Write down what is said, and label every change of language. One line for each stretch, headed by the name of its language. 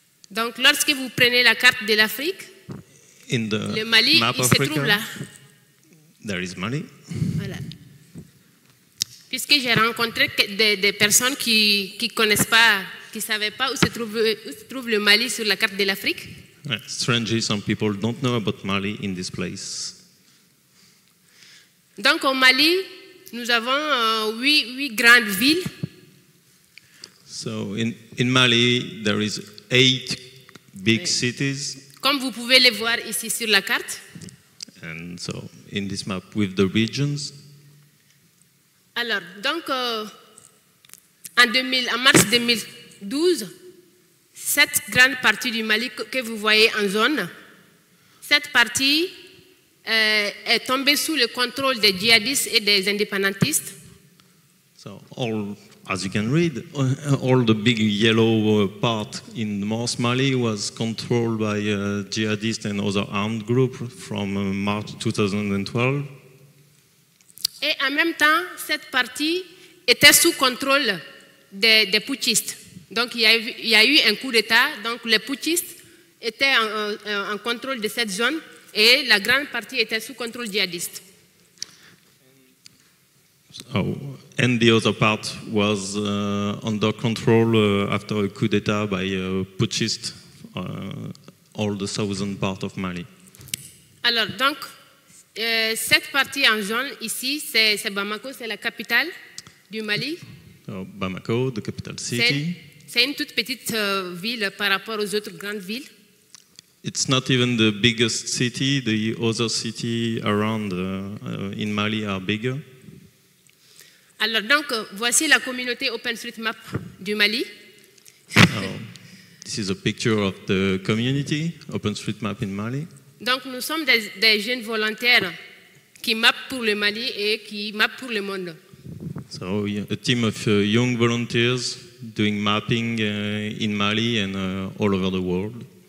French: Donc lorsque vous prenez la carte de l'Afrique,
English: in the
French: le Mali,
English: map
French: il
English: Africa,
French: se trouve là.
English: There is Mali.
French: Voilà. Puisque j'ai rencontré des personnes qui connaissent pas, qui savaient pas où se trouve le Mali sur la carte de l'Afrique.
English: Yeah, strangely, some people don't know about Mali in this place.
French: Donc au Mali, nous avons huit grandes villes.
English: So in Mali, there is eight big
French: oui.
English: cities.
French: Comme vous pouvez les voir ici sur la carte.
English: And so in this map with the regions.
French: Alors, donc, en mars 2012, cette grande partie du Mali que vous voyez en zone, cette partie est tombée sous le contrôle des djihadistes et des indépendantistes.
English: So, all, as you can read, all the big yellow part in North Mali was controlled by djihadists and other armed groups from March 2012.
French: Et en même temps, cette partie était sous contrôle des putschistes. Donc, il y a eu un coup d'État. Donc, les putschistes étaient en contrôle de cette zone et la grande partie était sous contrôle djihadiste.
English: So, and the other part was under control after a coup d'État by putschistes, all the southern part of Mali.
French: Alors, donc, cette partie en jaune ici, c'est Bamako, c'est la capitale du Mali.
English: So Bamako, the capital city.
French: C'est une toute petite ville par rapport aux autres grandes villes.
English: It's not even the biggest city. The other cities around in Mali are bigger.
French: Alors donc, voici la communauté OpenStreetMap du Mali.
English: Oh, this is a picture of the community OpenStreetMap in Mali.
French: Donc, nous sommes des jeunes volontaires qui mappent pour le Mali et qui mappent pour le monde.
English: So, a team of young volunteers doing mapping in Mali and all over the world.